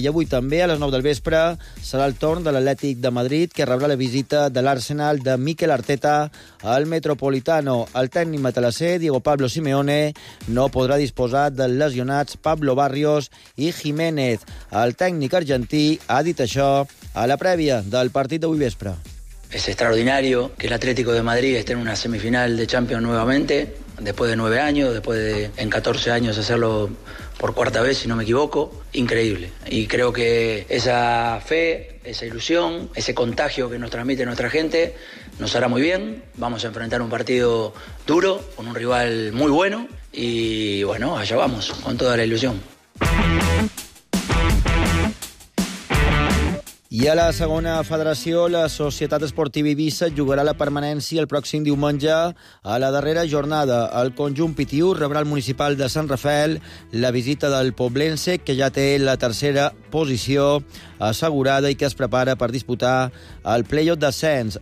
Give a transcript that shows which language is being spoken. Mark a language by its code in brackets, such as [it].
[ca] I avui també, a les 9 del vespre, serà el torn de l'Atlètic de Madrid, que rebrà la visita de l'Arsenal de Mikel Arteta al Metropolitano. El tècnic matalassé, Diego Pablo Simeone, no podrà disposar dels lesionats Pablo Barrios i Jiménez. El tècnic argentí ha dit això a la prèvia del partit d'avui vespre. [es] Es extraordinario que el Atlético de Madrid esté en una semifinal de Champions nuevamente, después de 9 años, después de en 14 años hacerlo por cuarta vez, si no me equivoco. Increíble. Y creo que esa fe, esa ilusión, ese contagio que nos transmite nuestra gente nos hará muy bien. Vamos a enfrentar un partido duro con un rival muy bueno y bueno, allá vamos con toda la ilusión. [ca] I a la segona federació, la Societat Esportiva Eivissa jugarà la permanència el pròxim diumenge a la darrera jornada. El conjunt pitiu rebrà el municipal de Sant Rafel la visita del Poblense, que ja té la tercera posició assegurada i que es prepara per disputar el play-off d'ascens.